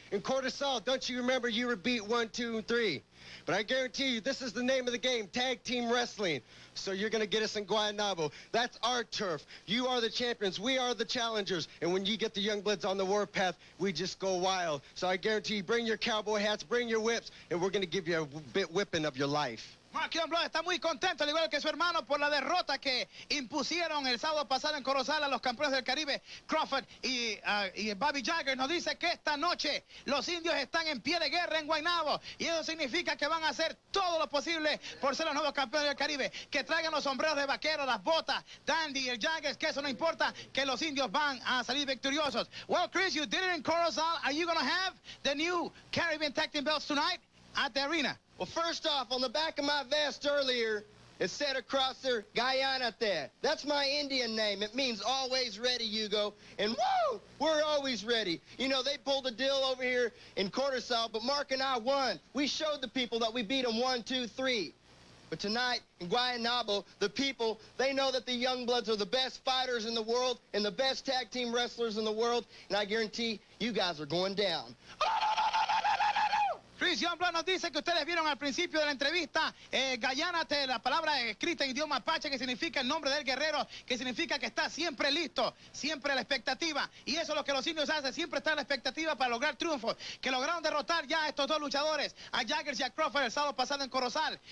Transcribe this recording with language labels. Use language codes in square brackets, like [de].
[en] In Cortisol, don't you remember you were beat 1, 2, and 3? But I guarantee you, this is the name of the game, tag team wrestling. So you're going to get us in Guaynabo. That's our turf. You are the champions. We are the challengers. And when you get the Youngbloods on the warpath, we just go wild. So I guarantee you, bring your cowboy hats, bring your whips, and we're going to give you a whipping of your life. [es] Maquillon Blood está muy contento, al igual que su hermano, por la derrota que impusieron el sábado pasado en Corozal a los campeones del Caribe, Crawford y Bobby Jagger. Nos dice que esta noche los indios están en pie de guerra en Guaynabo, y eso significa que van a hacer todo lo posible por ser los nuevos campeones del Caribe. Que traigan los sombreros de vaquero, las botas, Dandy y el Jagger, que eso no importa, que los indios van a salir victoriosos. [en] Well, Chris, you did it in Corozal. Are you going to have the new Caribbean Tag Team belts tonight at the arena? Well, first off, on the back of my vest earlier, it said across there, Guayanate. That's my Indian name. It means always ready, Hugo. And woo, we're always ready. You know, they pulled a deal over here in Corozal, but Mark and I won. We showed the people that we beat them 1, 2, 3. But tonight in Guaynabo, the people, they know that the Young Bloods are the best fighters in the world and the best tag team wrestlers in the world. And I guarantee you guys are going down. [es] Chris Youngblood nos dice que ustedes vieron al principio de la entrevista, Guayanate, la palabra escrita en idioma apache que significa el nombre del guerrero, que significa que está siempre listo, siempre a la expectativa. Y eso es lo que los indios hacen, siempre está a la expectativa para lograr triunfos. Que lograron derrotar ya a estos dos luchadores, a Jagger y a Crawford el sábado pasado en Corozal.